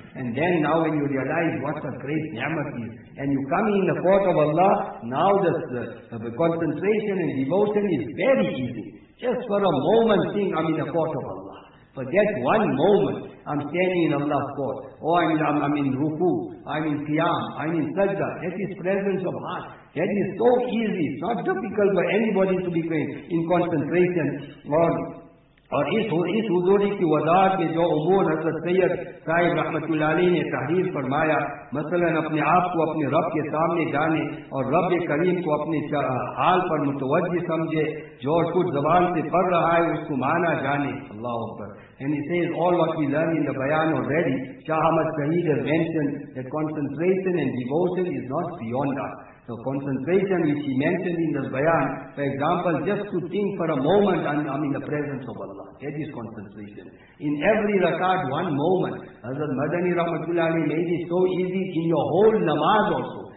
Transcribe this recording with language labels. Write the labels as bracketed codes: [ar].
[en] And then now when you realize what a great ni'mat is, and you come in the court of Allah, now the concentration and devotion is very easy. Just for a moment think, I'm in the court of Allah. For that one moment, I'm standing in Allah's court. Oh, I'm in ruku, I'm in qiyam, I'm in sajda. That is presence of heart. That is so easy. It's not difficult for anybody to be in concentration or [ur] اور اس حضوری کی وضاحت میں جو امور حضرت سید صاحب رحمت اللہ علیہ نے تحریر فرمایا، مثلا اپنے آپ کو اپنے رب کے سامنے جانے اور رب کریم کو اپنے حال پر متوجہ سمجھے، جو کچھ زبان سے پڑھ رہا ہے اس کو مانا جانے، اللہ اکبر. [en] And he says, all what we learn in the bayan already, Shah Ahmad Saeed has mentioned that concentration and devotion is not beyond us. So concentration which he mentioned in the bayan, for example, just to think for a moment, I'm in the presence of Allah. That is concentration. In every rakat, one moment. Hazrat Madani Rahmatullah made it so easy in your whole namaz also.